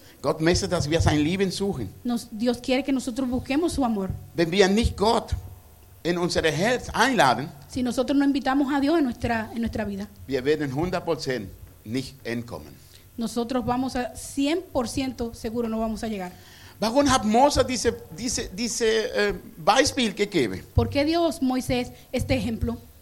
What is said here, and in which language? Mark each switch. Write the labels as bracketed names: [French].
[German] Gott möchte, dass wir sein Leben suchen. [Spanish] Dios quiere que nosotros busquemos su amor. [German] Wenn wir nicht Gott in unser Herz einladen, [Spanish] si nosotros no invitamos a Dios en nuestra vida, [German] wir werden 100% nicht entkommen. [Spanish] Nosotros vamos a 100% seguro no vamos a llegar. [German] Warum hat Mose diese Beispiel gegeben? [Spanish] ¿Por qué Dios Moisés este ejemplo?